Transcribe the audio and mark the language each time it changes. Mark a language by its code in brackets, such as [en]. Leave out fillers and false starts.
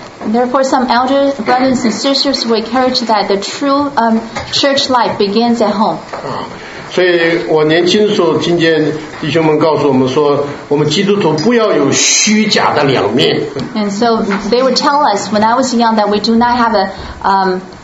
[en] Therefore, some elders, brothers and sisters, we encourage that the true church life begins at home. [zh] 所以我年轻的时候听见弟兄们告诉我们说，我们基督徒不要有虚假的两面。 [en] And so they would tell us when I was young that we do not have